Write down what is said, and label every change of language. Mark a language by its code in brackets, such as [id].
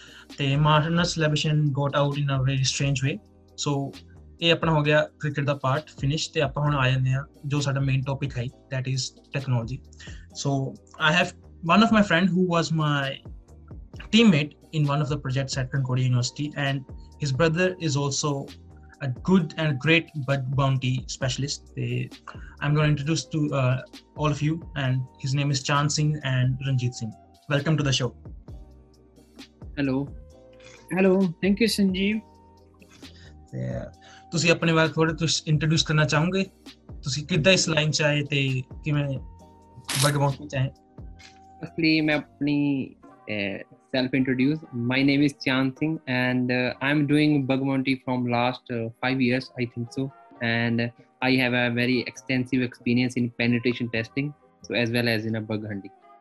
[pa] ਅਤੇ ਮਾਰਨਸ ਲੈਬਿਸ਼ਨ [en] Got out in a very strange way. [pa] ਸੋ ਇਹ ਆਪਣਾ ਹੋ ਗਿਆ ਕ੍ਰਿਕਟ ਦਾ ਪਾਰਟ ਫਿਨਿਸ਼, ਅਤੇ ਆਪਾਂ ਹੁਣ ਆ ਜਾਂਦੇ ਹਾਂ ਜੋ ਸਾਡਾ ਮੇਨ ਟੋਪਿਕ ਹੈ, [en] That is technology. So I have one of my friend who was my teammate in one of the projects at Concord university, and his brother is also a good and great bird bounty specialist. I'm going to introduce to all of you, and his name is Chan Singh and Ranjit Singh. Welcome to the show. Hello. Hello. Thank you, Sanjeev. [pa] ਤੁਸੀਂ ਆਪਣੇ ਬਾਰੇ ਥੋੜ੍ਹਾ ਤੁਸੀਂ introduce ਕਰਨਾ ਚਾਹੋਗੇ, ਤੁਸੀਂ ਕਿੱਦਾਂ ਇਸ ਲਾਈਨ 'ਚ ਆਏ ਅਤੇ ਕਿਵੇਂ ਬਰਡ ਬਾਉਂਟੀ 'ਚ ਆਏ? ਅਸਲੀ ਮੈਂ ਆਪਣੀ [en] self introduce, my name is Chan Singh and I'm doing bug bounty from last 5 years, I think so, and I have a very extensive experience in penetration testing, so as well as in a bug hunting.